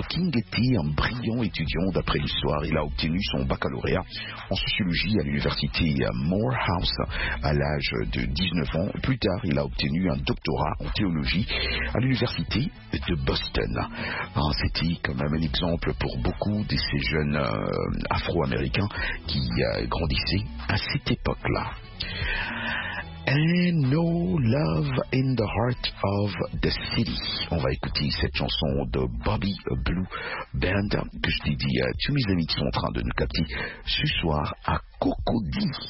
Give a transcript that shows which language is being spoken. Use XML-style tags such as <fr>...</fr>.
<fr>King était un brillant étudiant d'après l'histoire. Il a obtenu son baccalauréat en sociologie à l'université Morehouse à l'âge de 19 ans. Plus tard, il a obtenu un doctorat en théologie à l'université de Boston. Hein, c'était quand même un exemple pour beaucoup de ces jeunes afro-américains qui grandissaient à cette époque-là.</fr> <en>And no love in the heart of the city.</en> <fr>On va écouter cette chanson de Bobby Blue Band que je t'ai dit à tous mes amis qui sont en train de nous capter ce soir à Cocody.</fr>